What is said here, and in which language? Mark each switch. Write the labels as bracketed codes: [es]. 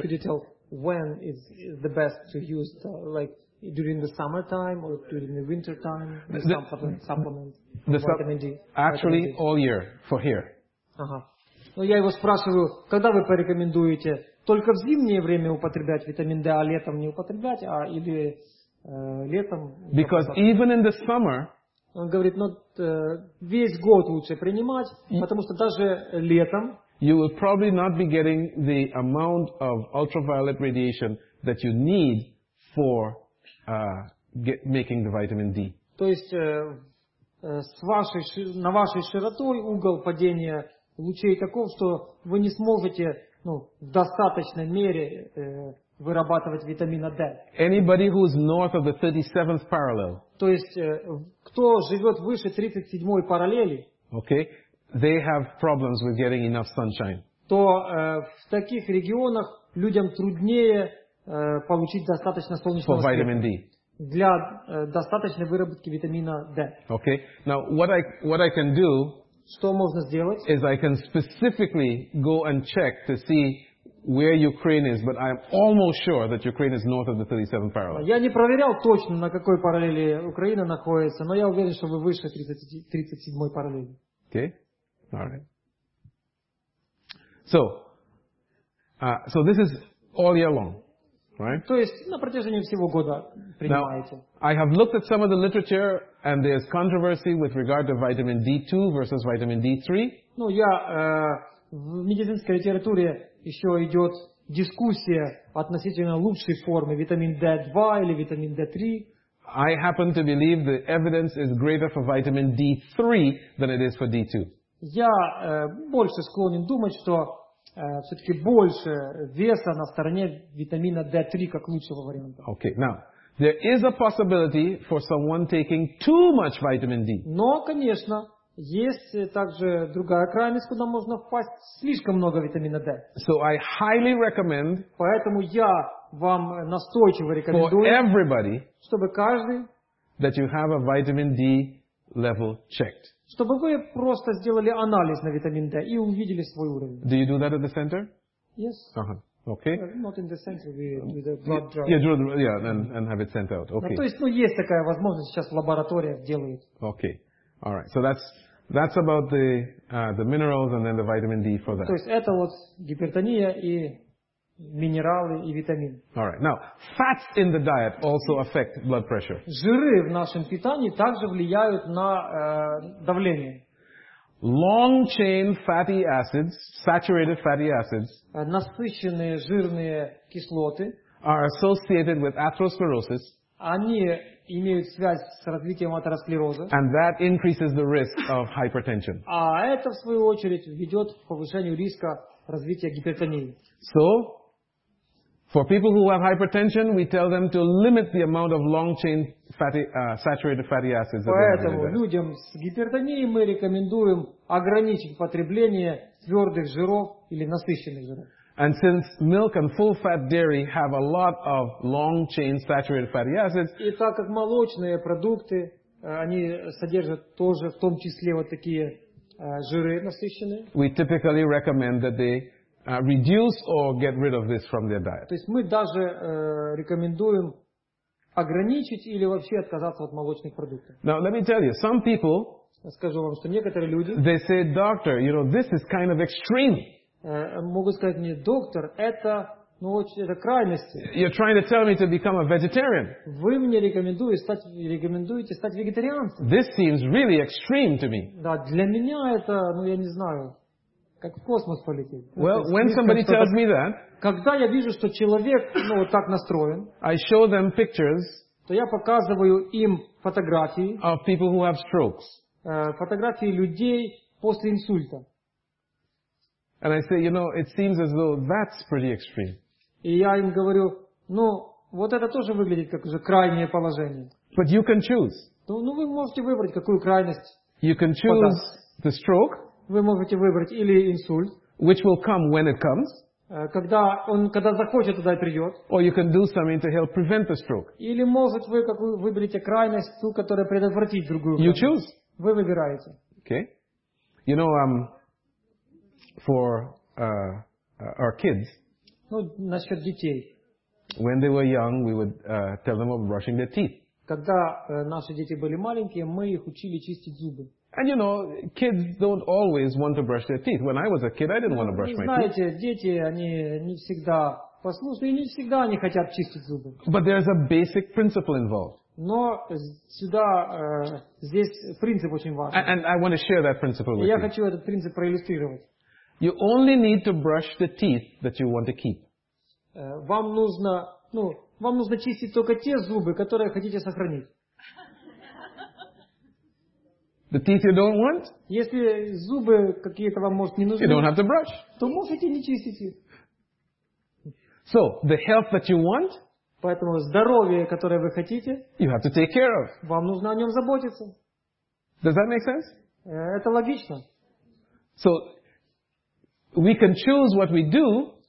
[en] Could you tell when is the best to use, like during the summertime or during the wintertime, supplement, vitamin D? Actually, all year for here. [ru] Ну я его спрашиваю, когда вы порекомендуете только в зимнее время употреблять витамин D, а летом не употреблять, а или летом? [en] Because even in the summer. [ru] Он говорит, ну, весь год лучше принимать, потому что даже летом [en] you will probably not be getting the amount of ultraviolet radiation that you need for making the vitamin D. [ru] То есть с вашей, на вашей широтой угол падения лучей таков, что вы не сможете, ну, в достаточной мере вырабатывать витамина D. [en] Anybody who is north of the 37th parallel. [ru] То есть кто живет выше 37-й параллели? [en] Okay. They have problems with getting enough sunshine. [ru] То в таких регионах людям труднее получить достаточно солнечного света. [en] For vitamin D. [ru] Для достаточной выработки витамина D. [en] Okay. Now what I can do? [ru] Что можно сделать? [en] Is I can specifically go and check to see where Ukraine is, but I'm almost sure that Ukraine is north of the 37th parallel. [ru] Я не проверял точно, на какой параллели Украина находится, но я уверен, что вы выше 37-й параллели. [en] Okay, all right. So this is all year long, right? [ru] То есть на протяжении всего года принимаете. [en] Now, I have looked at some of the literature, and there's controversy with regard to vitamin D2 versus vitamin D3. [ru] Ну я в медицинской литературе еще идет дискуссия относительно лучшей формы витамин D2 или витамин D3. [en] I happen to believe the evidence is greater for vitamin D3 than it is for D2. [ru] Я больше склонен думать, что все-таки больше веса на стороне витамина D3 как лучшего варианта. [en] Okay, now there is a possibility for someone taking too much vitamin D. [ru] Но, конечно, есть также другая крайность, куда можно впасть, слишком много витамина D. [en] So I highly recommend. [ru] Поэтому я вам настойчиво рекомендую. [en] For everybody. [ru] Чтобы каждый. [en] That you have a vitamin D level checked. [ru] Чтобы вы просто сделали анализ на витамин D и увидели свой уровень. [en] Do you do that at the center? Yes. Okay. Not in the center, with the blood draw. And have it sent out. Okay. [ru] То есть, ну, есть такая возможность, сейчас в лабораториях делают. [en] Okay. All right, so that's about the minerals and then the vitamin D for that. [ru] То есть это вот гипертония и минералы и витамин. [en] All right, now fats in the diet also affect blood pressure. [ru] Жиры в нашем питании также влияют на давление. [en] Long chain fatty acids, saturated fatty acids. [ru] Насыщенные жирные кислоты. [en] Are associated with atherosclerosis. [ru] Они имеют связь с развитием атеросклероза. [en] And that increases the risk of hypertension. [ru] А это, в свою очередь, ведет к повышению риска развития гипертонии. [en] So, for people who have hypertension, we tell them to limit the amount of long-chain fatty, saturated fatty acids. [ru] Поэтому людям с гипертонией мы рекомендуем ограничить потребление твердых жиров или насыщенных жиров. [en] And since milk and full-fat dairy have a lot of long-chain saturated fatty acids, [ru] и так как молочные продукты, они содержат тоже в том числе вот такие жиры насыщенные, [en] we typically recommend that they reduce or get rid of this from their diet. [ru] То есть мы даже рекомендуем ограничить или вообще отказаться от молочных продуктов. [en] Now let me tell you, some people, [ru] скажу вам, что некоторые люди, [en] they say, doctor, you know, this is kind of extreme. [ru] Могу сказать мне, доктор, это, ну, очень, это крайности. [en] You're trying to tell me to become a vegetarian. [ru] Вы мне рекомендуете стать вегетарианцем. [en] This seems really extreme to me. [ru] Да, для меня это, ну, я не знаю, как в космос полететь. [en] Well, when somebody tells me that, [ru] когда я вижу, что человек, ну, вот так настроен, [en] I show them pictures, [ru] то я показываю им фотографии [en] of people who have strokes. [ru] Фотографии людей после инсульта. [en] And I say, you know, it seems as though that's pretty extreme. [ru] И я им говорю, ну, вот это тоже выглядит как уже крайнее положение. [en] But you can choose. [ru] Ну, вы можете выбрать, какую крайность. [en] You can choose the stroke. [ru] Вы можете выбрать или инсульт. [en] Which will come when it comes. [ru] Когда захочет, тогда и придет. [en] Or you can do something to help prevent the stroke. [ru] Или, может, вы какую выберете крайность, ту, которая предотвратит другую крайность. [en] You choose. [ru] Вы выбираете. [en] Okay. You know, for our kids. [ru] Ну, насчет детей. [en] When they were young, we would tell them of brushing their teeth. [ru] Когда наши дети были маленькие, мы их учили чистить зубы. [en] And you know, kids don't always want to brush their teeth. When I was a kid, I didn't want to brush my teeth. [ru] Знаете, дети, они не всегда послушны и не всегда они хотят чистить зубы. [en] But there's a basic principle involved. [ru] Но сюда, здесь принцип очень важен. [en] And I want to share that principle with [ru] я [en] you. [ru] Я хочу этот принцип проиллюстрировать. [en] You only need to brush the teeth that you want to keep. [ru] Вам нужно, ну, вам нужно чистить только те зубы, которые хотите сохранить. [en] The teeth you don't want? [ru] Если зубы какие-то вам, может, не нужны, [en] you don't have to brush. [ru] То можете не чистить их. [en] So, the health that you want, [ru] поэтому здоровье, которое вы хотите, [en] you have to take care of. [ru] Вам нужно о нем заботиться. [en] Does that make sense? [ru] Это логично. [en] So, we can choose what we do.